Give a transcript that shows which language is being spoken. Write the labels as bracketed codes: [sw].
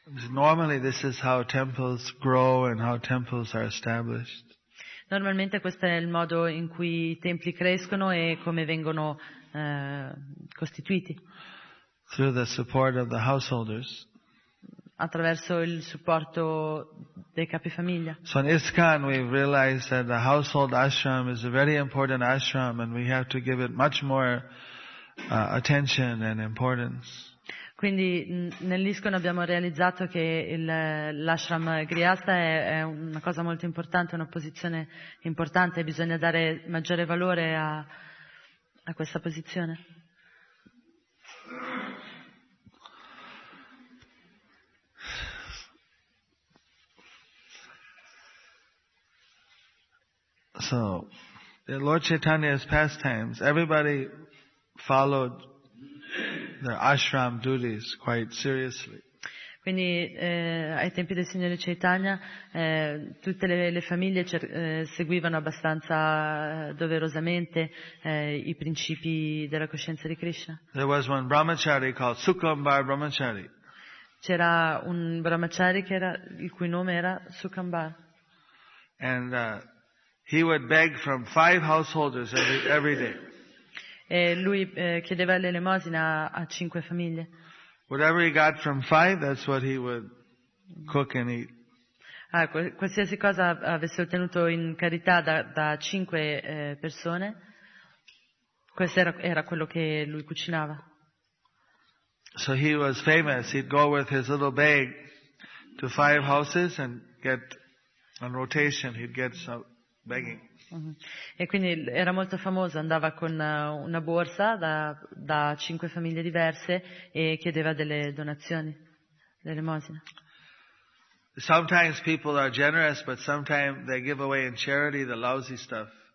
[en] Normally this is how temples grow and how temples are established. [it] Normalmente questo è il modo in cui i templi crescono e come vengono costituiti. [en] Through the support of the householders. [it] attraverso il supporto dei capi famiglia. [en] So in ISKCON we realized that the household ashram is a very important ashram and we have to give it much more attention and importance. [it] Quindi nell'ISKCON abbiamo realizzato che l'ashram Grihastha è una cosa molto importante, una posizione importante, bisogna dare maggiore valore a questa posizione. [en] So, in Lord Chaitanya's pastimes, everybody followed their ashram duties quite seriously. [it] Quindi ai tempi del Signore Chaitanya tutte le famiglie seguivano abbastanza doverosamente i principi della coscienza di Krishna. [en] There was one brahmachari called Sukambar Brahmachari. [it] C'era un brahmachari che era, il cui nome era Sukambar. [en] And he would beg from five householders every day. [it] E lui chiedeva l'elemosina a cinque famiglie. [en] Whatever he got from five, that's what he would cook and eat. [it] Ah, qualsiasi cosa avesse ottenuto in carità da cinque persone, questo era quello che lui cucinava. [en] So he was famous. He'd go with his little bag to five houses and get on rotation. He'd get some begging. [it] E quindi era molto famoso, andava con una borsa da cinque famiglie diverse e chiedeva delle donazioni, dell'elemosina. [en] Sometimes people are generous, but sometimes they give away in charity the lousy stuff.